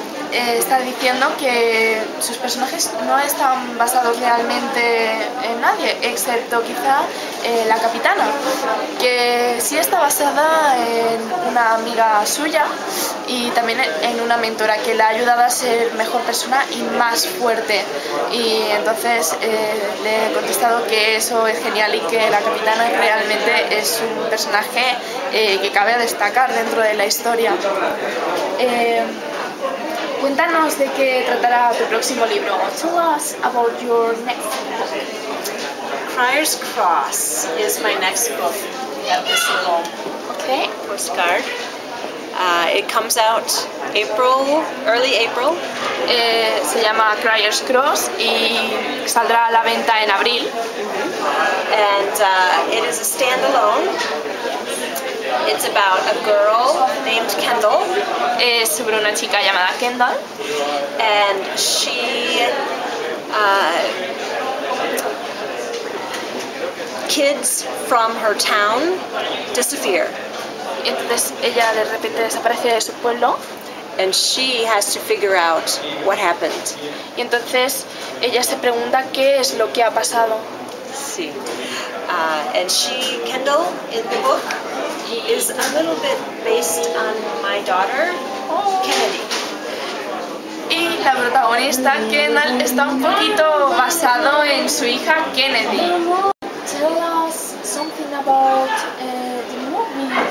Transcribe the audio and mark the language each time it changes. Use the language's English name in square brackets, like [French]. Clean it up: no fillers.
[Spanish] Está diciendo que sus personajes no están basados realmente en nadie, excepto quizá la capitana, que sí está basada en una amiga suya y también en una mentora que la ha ayudado a ser mejor persona y más fuerte. Y entonces le he contestado que eso es genial y que la capitana realmente es un personaje que cabe destacar dentro de la historia. Cuéntanos de qué tratará tu próximo libro. [English] Tell us about your next book. Crier's Cross is my next book. This little postcard. It comes out early April. [Spanish] Se llama Crier's Cross y saldrá a la venta en abril. [English] Mm-hmm. And it is a standalone. It's about a girl named Kendall. [Spanish] Es sobre una chica llamada Kendall. [English] And she kids from her town disappear. [Spanish] Entonces ella de repente desaparece de su pueblo. [English] And she has to figure out what happened. [Spanish] Y entonces ella se pregunta qué es lo que ha pasado. Sí. [English] And she, Kendall, in the book, is a little bit based on my daughter, Kennedy. [Spanish] Y la protagonista, Kendall, está un poquito basado en su hija, Kennedy. [English] Tell us something about the movie.